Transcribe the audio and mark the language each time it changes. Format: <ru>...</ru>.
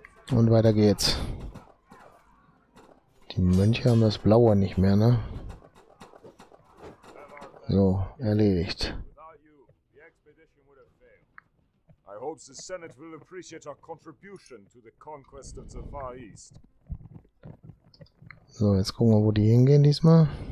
<de>Und weiter geht's. Die Mönche haben das Blaue nicht mehr, ne? So, erledigt.</de> <en>I hope the Senate will appreciate our contribution to the conquest of the Far East.</en> <de>So, jetzt gucken wir, wo die hingehen diesmal.</de>